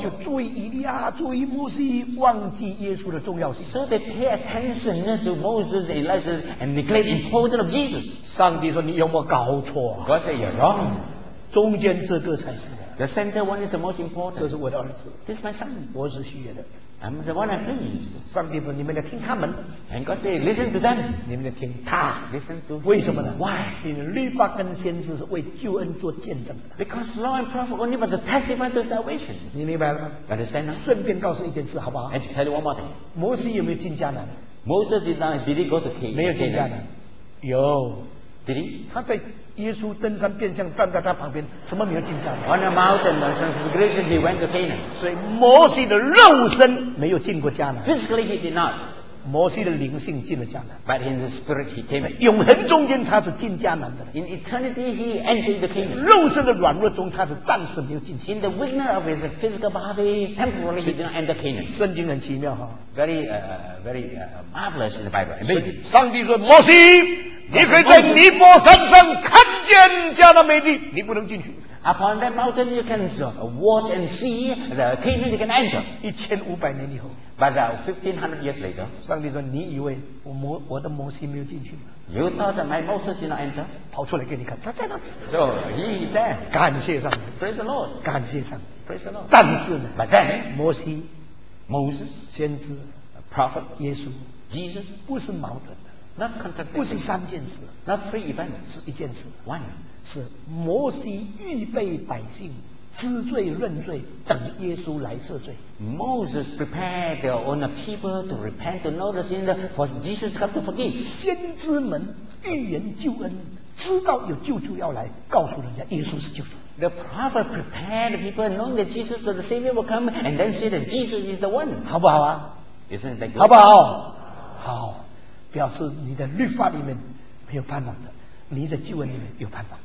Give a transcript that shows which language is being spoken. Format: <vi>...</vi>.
<zh>就注意以利亚，注意摩西，忘记耶稣的重要性。</zh> <en>So they pay attention to Moses and Elijah and neglect the importance of Jesus.</en> <zh>上帝说你有没有搞错</zh> <en>God said you're wrong.</en> <zh>中间这个才是</zh> <en>The center one is the most important.</en> <zh>这是我的儿子</zh> <en>This is my son.</en> <zh>我是喜悦的</zh> <en>I'm the one I think.</en> <zh>上帝说你们来听他们。</zh> <en>And God said, listen to them.</en> <zh>你们来听他。</zh> <en>Listen to.</en> <zh>为什么呢</zh> <en>？Why？</en> <zh>因为律法跟先知是为救恩做见证的。</zh> <en>Because law and prophet only but to testify to salvation.</en> <zh>你明白了吗</zh> <en>？Understand?</en> <zh>顺便告诉一件事好不好</zh> <en>？And to tell you one more thing.</en> <zh>摩西有没有进迦南</zh> <en>？Moses did not. Did he go to Canaan？</en> <zh>没有进迦南。有。</zh> <en>Did he？</en> <zh>他在。耶稣登山变相站在他旁边，什么没有进山</zh> <en>？On the mountain of transfiguration, he went to Canaan.</en> <zh>所以摩西的肉身没有进过迦南。</zh> <en>Physically, he did not.</en> <zh>摩西的灵性进了迦南。</zh> <en>But in the spirit, he came.</en> <zh>永恒中间他是进迦南的。</zh> <en>In eternity, he entered the kingdom.</en> <zh>肉身的软弱中他是暂时没有进去。</zh> <en>In the weakness of his physical body, temporarily, he did not enter Canaan.</en> <zh>圣经很奇妙哈。</zh> <en>Very marvelous in the Bible. Amazing.</en> <zh>上帝说摩西。你可以在尼泊山上看见迦南美地，你不能进去。</zh> <en>Upon that mountain you can watch and see the kingdom you can enter.</en> <zh>1500年以后</zh> <en>，But 1500 years later，</en> <zh>上帝说：“你以为我的摩西没有进去</zh> <en>？”You thought my Moses did not enter？</en> <zh>跑出来给你看，他在那。</zh> <en>So he is there.</en> <zh>感谢上帝</zh> <en>，Praise the Lord.</en> <zh>感谢上帝</zh> <en>，Praise the Lord.</en> <zh>但是呢</zh> <en>，But then</en> <zh>摩西</zh> <en>，Moses</en> <zh>先知</zh> <en>，Prophet</en> <zh>耶稣</zh> <en>，Jesus</en> <zh>不是矛盾。</zh> <en>Not contradicting.</en> <zh>不是三件事</zh> <en>，not three events，</en> <zh>是一件事。</zh> <en>One</en> <zh>是摩西预备百姓知罪认罪，等耶稣来赦罪。</zh> <en>Moses prepared the own people to repent, to know the sin, for Jesus come to forgive.</en> <zh>先知们预言救恩，知道有救主要来，告诉人家耶稣是救主。</zh> <en>The prophet prepared the people, knowing that Jesus the Savior will come, and then said that Jesus is the one.</en> <zh>好不好啊</zh> <en>？Isn't that good?</en> <zh>好不好？好。表示你的律法里面没有盼望的，你的救恩里面有盼望。</zh>